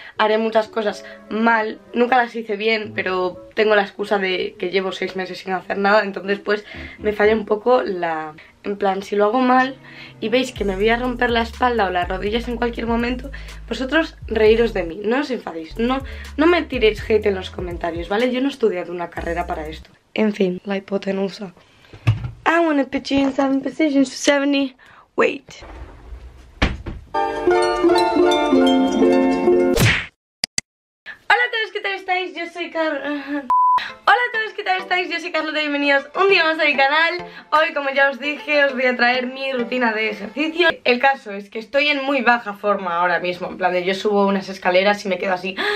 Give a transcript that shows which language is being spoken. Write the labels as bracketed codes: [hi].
[es] Haré muchas cosas mal, nunca las hice bien, pero tengo la excusa de que llevo 6 meses sin hacer nada. Entonces pues me falla un poco la... En plan, si lo hago mal y veis que me voy a romper la espalda o las rodillas en cualquier momento, vosotros reíros de mí, no os enfadéis, no me tiréis hate en los comentarios, ¿vale? Yo no he estudiado una carrera para esto. En fin, la hipotenusa. [en] I wanna pitch you in 7 positions for 70. Wait. [es] Hola a todos, ¿qué tal estáis? Yo soy Carlota. Hola a todos, ¿qué tal estáis? Yo soy Carlota y bienvenidos un día más a mi canal. Hoy, como ya os dije, os voy a traer mi rutina de ejercicio. El caso es que estoy en muy baja forma ahora mismo. En plan de, yo subo unas escaleras y me quedo así.